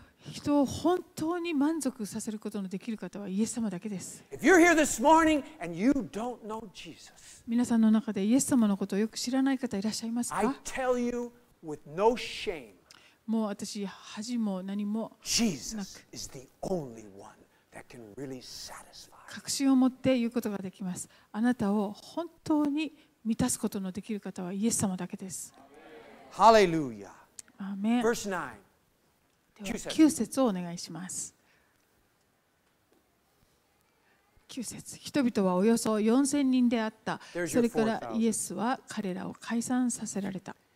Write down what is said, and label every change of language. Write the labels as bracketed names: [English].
[Japanese] 人を本当に満足させることのできる方はイエス様だけです。 [English] If you're here this morning and you don't know Jesus, [Japanese] 皆さんの中でイエス様のことをよく知らない方いらっしゃいますか? [English] I tell you with no shame, [Japanese] もう私恥も何もなく、 [English] Jesus is the only one that can really satisfy. [Japanese] 確信を持って言うことができます。あなたを本当に満たすことのできる方はイエス様だけです。 [English] Hallelujah. [Japanese] アーメン。 [English] Verse 9. [Japanese] 9節をお願いします。 9節、人々はおよそ4000人であった。それからイエスは彼らを解散させられた。